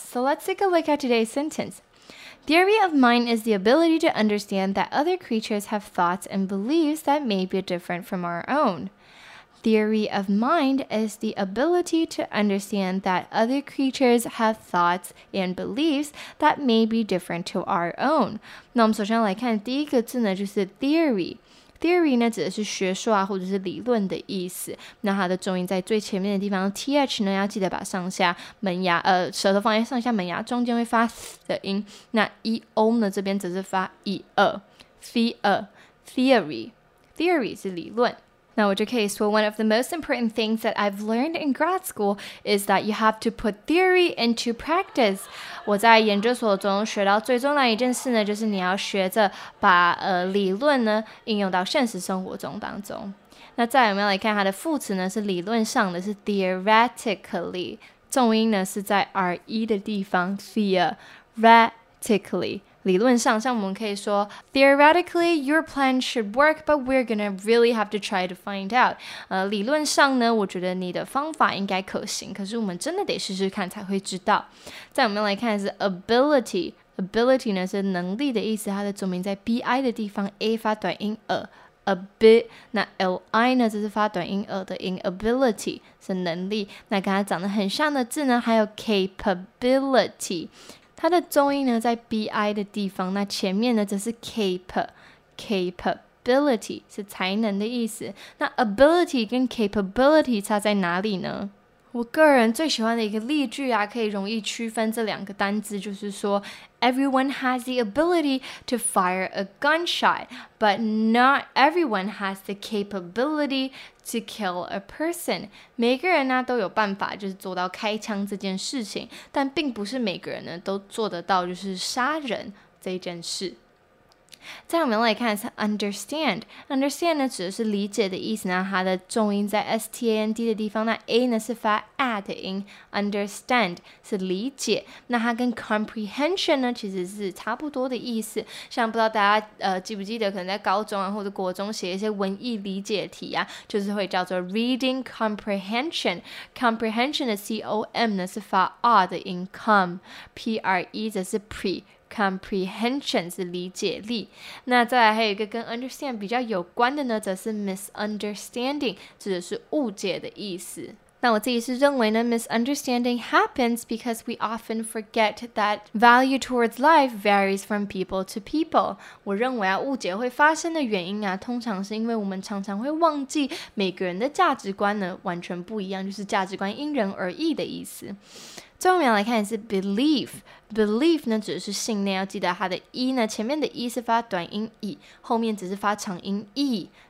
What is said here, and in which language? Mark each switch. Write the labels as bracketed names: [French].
[English] So let's take a look at today's sentence. Theory of mind is the ability to understand that other creatures have thoughts and beliefs that may be different from our own. Theory of mind is the ability to understand that other creatures have thoughts and beliefs that may be different to our own. [Chinese] 那我们首先来看第一个字呢，就是 theory。Theory 呢，指的是学说啊，或者是理论的意思。那它的重音在最前面的地方 ，th 呢，要记得把上下门牙，舌头放在上下门牙中间会发 th 的音。那 e o 呢，这边则是发 e r， theory， theory 是理论。 [English] Now, with your case, well, one of the most important things that I've learned in grad school is that you have to put theory into practice. [Chinese] 我在研究所中学到最重要的一件事呢，就是你要学着把理论呢应用到现实生活中当中。那再来我们要来看它的副词呢，是理论上的，是 theoretically， 重音呢是在 re 的地方 ，theoretically。理论上，像我们可以说 [English] ，theoretically your plan should work， but we're gonna really have to try to find out。 [Chinese] 理论上呢，我觉得你的方法应该可行，可是我们真的得试试看才会知道。再我们来看是 ability 呢是能力的意思，它的重音在 bi 的地方 ，a 发短音 a bit， 那 li 呢就是发短音 a 的音 ，ability 是能力。那跟它长得很像的字呢，还有 capability。它的重音呢在 bi 的地方，那前面呢则是 capability 是才能的意思。那 ability 跟 capability 差在哪里呢？我个人最喜欢的一个例句啊，可以容易区分这两个单字，就是说 [English] everyone has the ability to fire a gunshot, but not everyone has the capability to kill a person. [Chinese] 每个人呢都有办法就是做到开枪这件事情，但并不是每个人呢都做得到就是杀人这件事。再我们来看是 understand 呢指的是理解的意思呢，它的重音在 stand 的地方，那 a 呢是发 a 的音， understand 是理解，那它跟 comprehension 呢其实是差不多的意思。像不知道大家记不记得，可能在高中啊或者国中写一些文艺理解题啊，就是会叫做 reading comprehension 的 com 呢是发 r 的音， come pre 则是 precomprehension 是理解力。那再来还有一个跟 understand 比较有关的呢，则是 misunderstanding， 指的是误解的意思。那我自己是认为呢， [English] misunderstanding happens because we often forget that value towards life varies from people to people. [Chinese] 我认为啊，误解会发生的原因啊，通常是因为我们常常会忘记每个人的价值观呢完全不一样，就是价值观因人而异的意思。最后我们来看的是 belief 呢指的是信念，要记得它的 e 呢前面的 e 是发短音 e， 后面只是发长音 e。